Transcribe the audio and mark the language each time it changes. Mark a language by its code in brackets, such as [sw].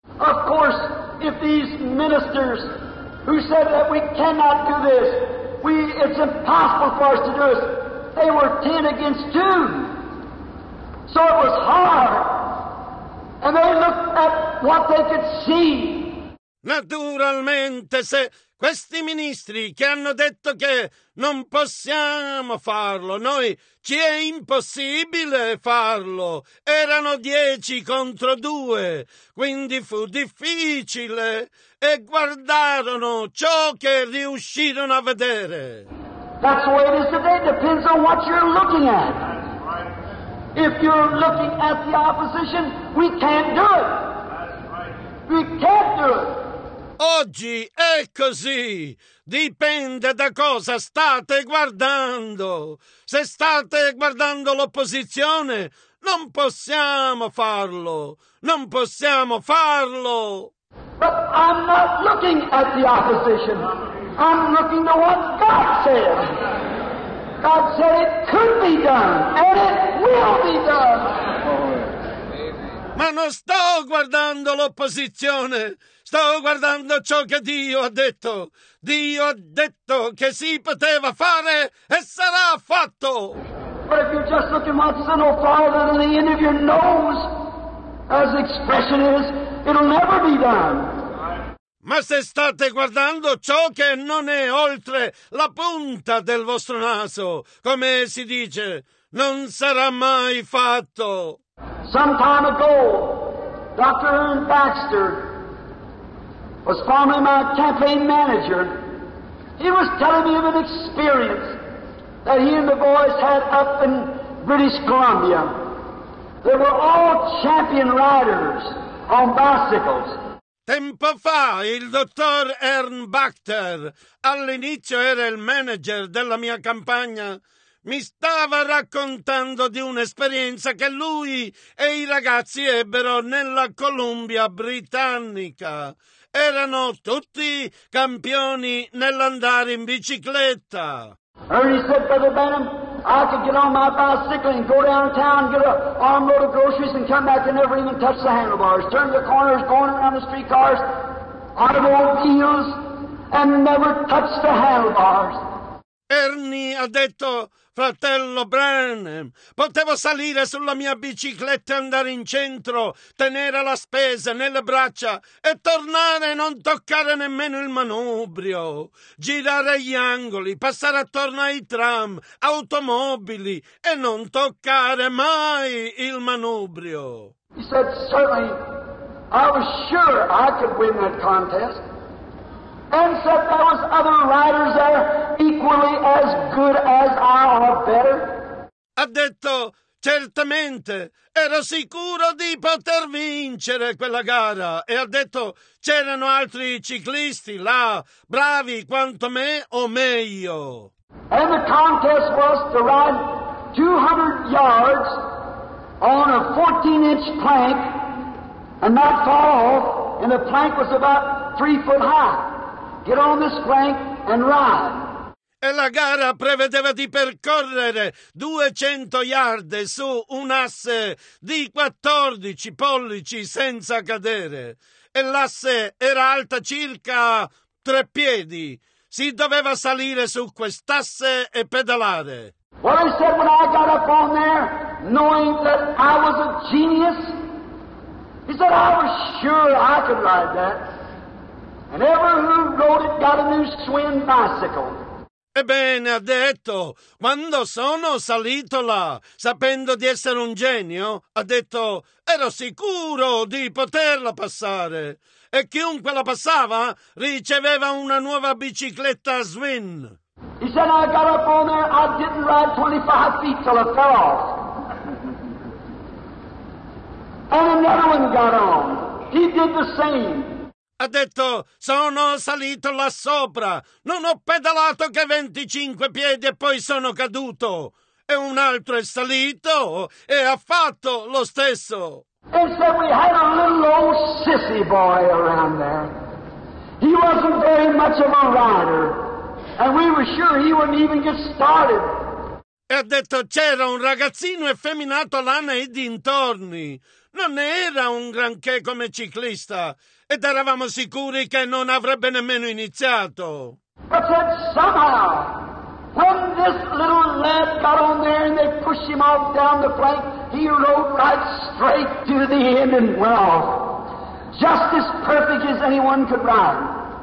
[en] Of course, if these ministers who said that we cannot do this, it's impossible for us to do this, they were 10 against 2. So it was hard. And they looked at what they could see. [it] Naturalmente, se questi ministri che hanno detto che non possiamo farlo, noi ci è impossibile farlo, erano 10 contro 2, quindi fu difficile e guardarono ciò che riuscirono a vedere. [en] That's the way it is today. Depends on what you're looking at. If you're looking at the opposition, we can't do it. We can't do it. [it] Oggi è così. Dipende da cosa state guardando. Se state guardando l'opposizione, non possiamo farlo. Non possiamo farlo. [en] But I'm not looking at the opposition. I'm looking to what God said. God said it could be done, and it will be done. [it] Ma non sto guardando l'opposizione, sto guardando ciò che Dio ha detto. Dio ha detto che si poteva fare e sarà fatto. [en] But if you're just looking at the sinful father in the end of your nose, as the expression is, it'll never be done. [it] Ma se state guardando ciò che non è oltre la punta del vostro naso, come si dice, non sarà mai fatto. [en] Some time ago, Dr. Ern Baxter was formerly my campaign manager. He was telling me of an experience that he and the boys had up in British Columbia. They were all champion riders on bicycles. [it] Tempo fa, il dottor Ern Baxter, all'inizio era il manager della mia campagna, mi stava raccontando di un'esperienza che lui e i ragazzi ebbero nella Columbia Britannica. Erano tutti campioni nell'andare in bicicletta. [en] Ernie said, Brother Benham, I could get on my bicycle and go downtown, get an armload of groceries and come back and never even touch the handlebars. Turn the corners, going around the streetcars, automobiles, and never touch the handlebars. [it] Ernie ha detto, fratello Branham, potevo salire sulla mia bicicletta e andare in centro, tenere la spesa nelle braccia e tornare e non toccare nemmeno il manubrio, girare gli angoli, passare attorno ai tram, automobili e non toccare mai il manubrio. [en] He said, certainly, I was sure I could win that contest. And said there was other riders there equally as good as I or better. [it] Ha detto, certamente, ero sicuro di poter vincere quella gara. E ha detto, c'erano altri ciclisti là, bravi quanto me o meglio. [en] And the contest was to ride 200 yards on a 14-inch plank and not fall off, and the plank was about 3 foot high. Get on this plank and ride. [it] E la gara prevedeva di percorrere 200 yard su un asse di 14 pollici senza cadere. E l'asse era alta circa 3 piedi. Si doveva salire su quest'asse e pedalare. [en] Well, I said when I got up on there, knowing that I was a genius, he said I was sure I could ride that. And ever who rode it got a new swim bicycle. [it] Ebbene, ha detto, quando sono salito là, sapendo di essere un genio, ha detto, ero sicuro di poterla passare. E chiunque la passava riceveva una nuova bicicletta Swin. [en] He said, I got up on there, I didn't ride 25 feet till I fell off. And another one got on. He did the same. [it] Ha detto, sono salito là sopra, non ho pedalato che 25 piedi e poi sono caduto. E un altro è salito e ha fatto lo stesso. [en] He said we had a little old sissy boy around there. He wasn't very much of a rider. And we were sure he wouldn't even get started. [it] E ha detto, c'era un ragazzino effeminato là nei dintorni. Non era un granché come ciclista. Ed eravamo sicuri che non avrebbe nemmeno iniziato. [en] But then somehow, when this little lad got on there and they pushed him off down the plank, he rode right straight to the end and went off. Just as perfect as anyone could ride.